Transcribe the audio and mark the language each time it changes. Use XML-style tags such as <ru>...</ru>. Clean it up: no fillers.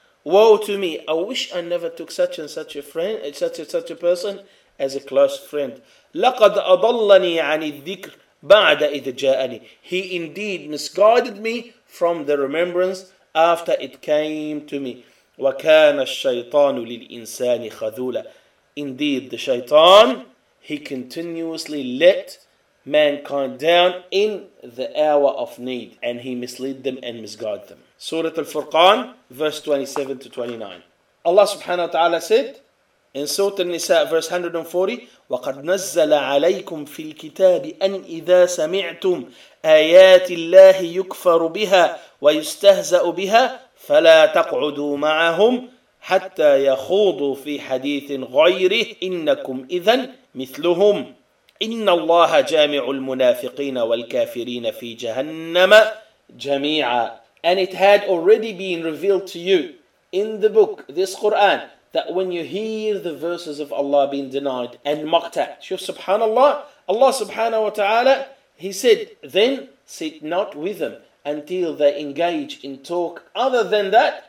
<en>Woe to me, I wish I never took such and such a friend, such a person as a close friend.</en> <ar>لَقَدْ أَضَلَّنِي عَنِ الذِّكْرِ بَعْدَ إِذْ جَاءَنِي.</ar> <en>He indeed misguided me from the remembrance after it came to me.</en> <ar>وَكَانَ الشَّيْطَانُ لِلْإِنسَانِ خَذُولًا.</ar> <en>Indeed, the shaitan, He continuously let mankind down in the hour of need, and He misled them and misguided them. Surah Al-Furqan, verse 27 to 29. Allah subhanahu wa ta'ala said, in Surah Al-Nisa, verse 140,</en> <ar>وَقَدْ نَزَّلَ عَلَيْكُمْ فِي الْكِتَابِ أَنْ إِذَا سَمِعْتُمْ آيَاتِ اللَّهِ يُكْفَرُ بِهَا وَيُسْتَهْزَأُ بِهَا فَلَا تَقْعُدُوا مَعَهُمْ حَتَّى يَخُوضُوا فِي حَدِيثٍ غَيْرِهِ إِنَّكُمْ إِذًا مِثْلُهُمْ إِنَّ اللَّهَ جَامِعُ الْمُنَافِقِينَ وَالْكَافِرِينَ فِي جَهَنَّمَ جَمِيعًا.</ar> <en>And it had already been revealed to you in the book, this Quran, that when you hear the verses of Allah being denied and mocked at, subhanallah, Allah subhanahu wa ta'ala, He said, then sit not with them until they engage in talk other than that.</en>